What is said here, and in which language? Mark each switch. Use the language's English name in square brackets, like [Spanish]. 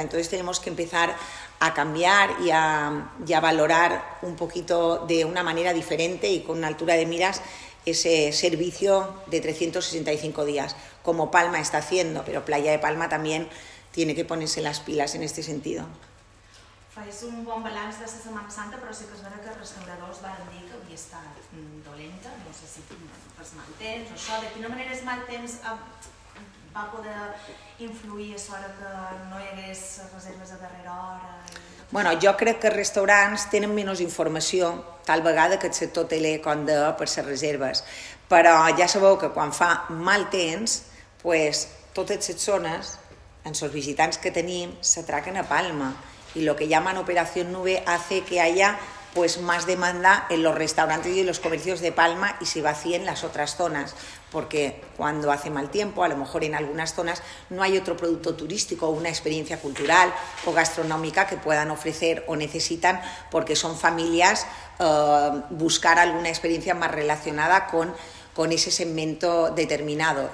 [Spanish] Entonces tenemos que empezar a cambiar y a valorar un poquito de una manera diferente y con una altura de miras ese servicio de 365 días, como Palma está haciendo, pero Playa de Palma también tiene que ponerse las pilas en este sentido. [Catalan] És un bon balanç de la Setmana Santa, però sí que es veu que els restauradors van dir que havia estat dolenta, no sé si per mal temps o això, de quina manera és mal temps va poder influir a sort que no hi hagués reserves a darrera hora? Bueno, jo crec que els restaurants tenen menys informació, tal vegada que el sector té l'econ de per les reserves. Però ja sabeu que quan fa mal temps, pues, totes les zones, en els visitants que tenim, s'atraquen a Palma. I el que [Spanish] llaman [Catalan] Operació Nube [Spanish] hace que haya pues, más demanda en los restaurantes y en los comercios de Palma y se vacíen las otras zonas. Porque cuando hace mal tiempo, a lo mejor en algunas zonas, no hay otro producto turístico o una experiencia cultural o gastronómica que puedan ofrecer o necesitan, porque son familias, buscar alguna experiencia más relacionada con ese segmento determinado.